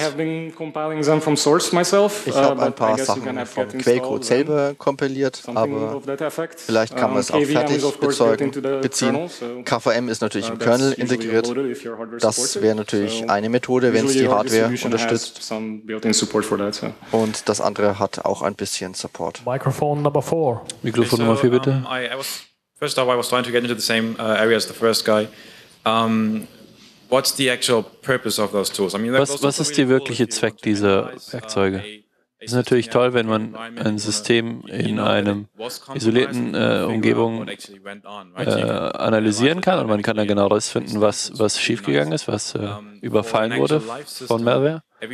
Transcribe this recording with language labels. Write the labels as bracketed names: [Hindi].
[English] I have been compiling them from source myself, [German] ich habe ein paar Sachen vom Quellcode selber kompiliert, aber vielleicht kann man es auch fertig beziehen. KVM ist natürlich im Kernel integriert. Das wäre natürlich eine Methode, wenn es die Hardware unterstützt. Und das andere hat auch ein bisschen Support. Mikrofon Nummer 4. Mikrofon Nummer 4, bitte. [English] First off, I was trying to get into the same area as the first guy. What's the actual purpose of those tools? I mean, [German] was ist der wirkliche Zweck dieser Werkzeuge? Es ist natürlich toll, wenn man ein System in einem isolierten Umgebung analysieren kann und man kann dann genau rausfinden, was schiefgegangen ist, was überfallen wurde von Malware.